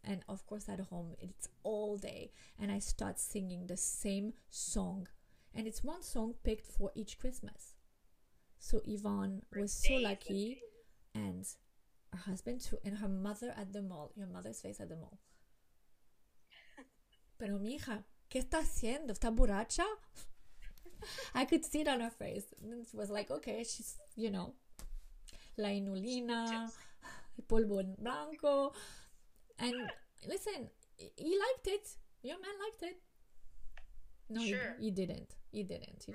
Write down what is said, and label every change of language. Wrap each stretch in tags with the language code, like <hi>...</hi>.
<en>And of course, at home, it's all day. And I start singing the same song. And it's one song picked for each Christmas. So YVONNE was so lucky, and her husband too, and her mother at the mall, your mother's face at the mall.</en> <es>Pero mi hija, ¿qué está haciendo? ¿Está borracha?</es> <en>I could see it on her face. It was like, okay, she's, you know,</en> <es>la inulina, el polvo blanco.</es> <en>And listen, he liked it. Your man liked it. No, sure. He didn't. He didn't. He's</en>